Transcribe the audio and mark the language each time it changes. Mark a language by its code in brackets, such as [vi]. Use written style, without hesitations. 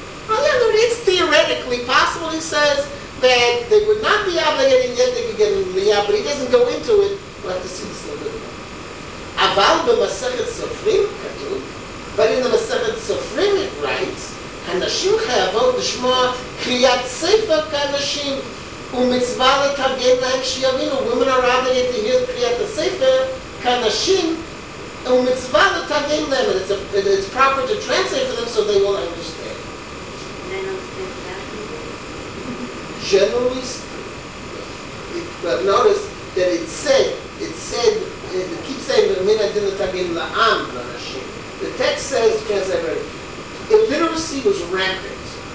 [en] On the other hand, it's theoretically possible, he says, that they would not be obligated, and yet they could get an aliyah, but he doesn't go into it. We'll have to see this a little bit more. [he] Aval b'masechet sofrim, [en] but in the Masechet Sofrim it writes, [he] הנשים חייבות לשמוע קריאת ספר כאנשים ומצווה לתרגם להם שיבינו. [en] Women are obligated to hear [he] קריאת הספר כאנשים ומצווה לתרגם להם. [en] It's proper to translate for them so they will understand. They understand that. Generally speaking. But notice that it said, it keeps saying, [he] מן הדין לתרגם לעם, לאנשים. [en] The text says, illiteracy was rampant.